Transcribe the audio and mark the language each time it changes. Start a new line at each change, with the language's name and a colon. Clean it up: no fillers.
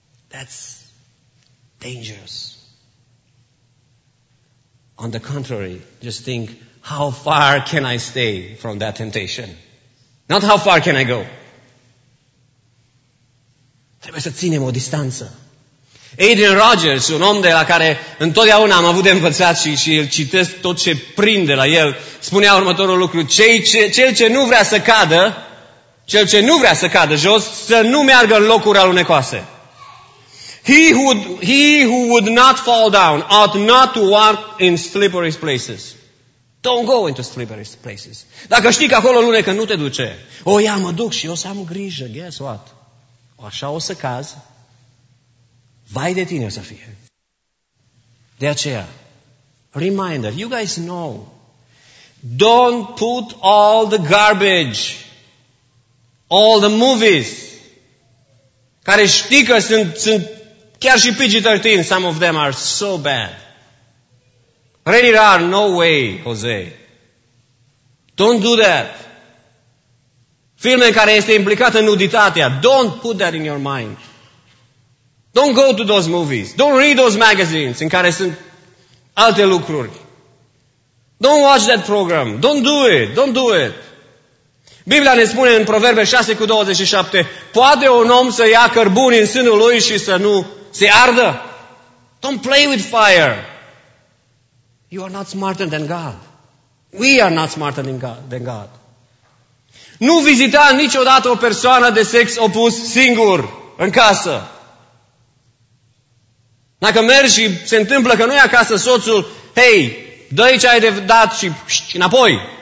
English: That's dangerous. On the contrary, just think, how far can I stay from that temptation? Not how far can I go?
Romanian: Trebuie să ținem o distanță. Adrian Rogers, un om de la care întotdeauna am avut de învățat și, și îl citesc tot ce prinde la el, spunea următorul lucru: cel ce nu vrea să cadă, cel ce nu vrea să cadă jos, să nu meargă în locuri alunecoase.
English: He who would not fall down ought not to walk in slippery places. Don't go into slippery places.
Romanian: Dacă știi că acolo lunecă, nu te duce. O, ia, mă duc și eu să am grijă.
English: Guess what?
Romanian: O, așa o să caz. Vai de tine o să fie. De aceea,
English: reminder, you guys know, don't put all the garbage, all the movies,
Romanian: care știi că sunt chiar și PG-13,
English: some of them are so bad. Ready, rar, no way, Jose. Don't do that.
Romanian: Filme care este implicată în nuditatea,
English: don't put that in your mind. Don't go to those movies. Don't read those magazines
Romanian: în care sunt alte lucruri.
English: Don't watch that program. Don't do it. Don't do it.
Romanian: Biblia ne spune în Proverbe 6:27, poate un om să ia cărbuni în sânul lui și să nu se ardă?
English: Don't play with fire. You are not smarter than God. We are not smarter than God.
Romanian: Nu vizita niciodată o persoană de sex opus singur în casă. Dacă mergi și se întâmplă că nu e acasă soțul, hei, dă-i ce ai de dat și înapoi.